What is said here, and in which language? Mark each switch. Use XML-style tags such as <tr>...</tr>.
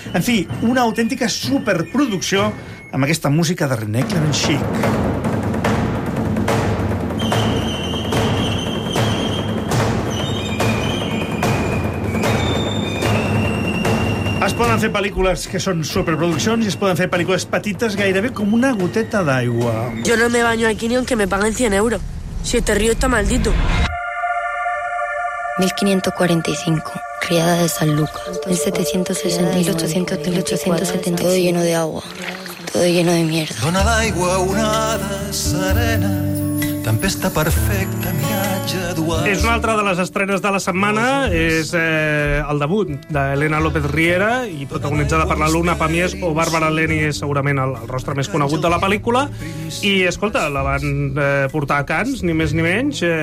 <ca>En fi, una autèntica superproducció amb aquesta música de René Clair-Chic. Es poden fer pel·lícules que són superproduccions i es poden fer pel·lícules petites gairebé com una goteta d'aigua.</ca> <es>Yo no me baño aquí ni aunque me paguen 100 euros. Si este río está maldito. 1545, criada de San Lucas. 1760, 1870, 1872. Todo lleno de agua, todo lleno de mierda.</es> <ca>Dona d'aigua, onada serena, tempesta perfecta, és una altra de les estrenes de la setmana. És el debut d'Elena López Riera i protagonitzada per la Luna Pamies o Bàrbara Leni, és segurament el rostre més conegut de la pel·lícula. I, escolta, la van portar a Cannes, ni més ni menys.</ca>